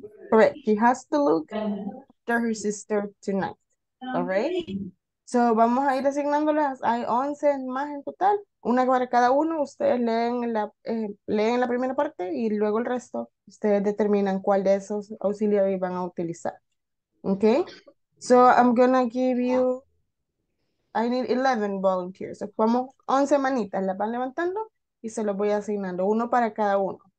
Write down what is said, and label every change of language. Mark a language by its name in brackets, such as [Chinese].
[English] Correct. She has to look after her sister tonight. All right. [Spanish] So, vamos a ir asignándolas. Hay 11 más en total. Una para cada uno, ustedes leen la primera parte y luego el resto, ustedes determinan cuál de esos auxiliares van a utilizar. [English] Okay? So I'm gonna give you, I need 11 volunteers. [Spanish] So, vamos, 11 manitas las van levantando y se los voy asignando, uno para cada uno.